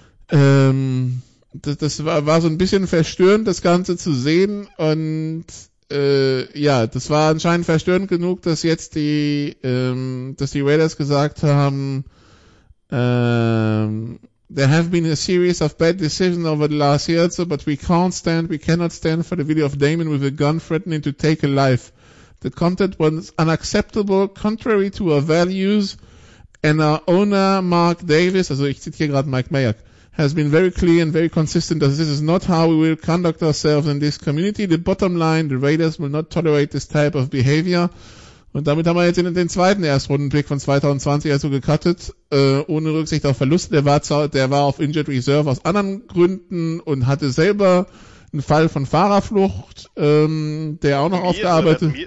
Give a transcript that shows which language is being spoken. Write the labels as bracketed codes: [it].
[de] das war so ein bisschen verstörend, das Ganze zu sehen und das war anscheinend verstörend genug, dass jetzt die Raiders gesagt haben, [en] there have been a series of bad decisions over the last year or so, but we cannot stand for the video of Damon with a gun threatening to take a life. The content was unacceptable, contrary to our values, and our owner, Mark Davis, [de] also ich zitiere gerade Mike Mayock, [en] has been very clear and very consistent that this is not how we will conduct ourselves in this community. The bottom line, the Raiders will not tolerate this type of behavior. [de] Und damit haben wir jetzt den zweiten Erstrundenpick von 2020 also gecuttet, ohne Rücksicht auf Verluste. Der war auf Injured Reserve aus anderen Gründen und hatte selber einen Fall von Fahrerflucht, der auch noch aufgearbeitet.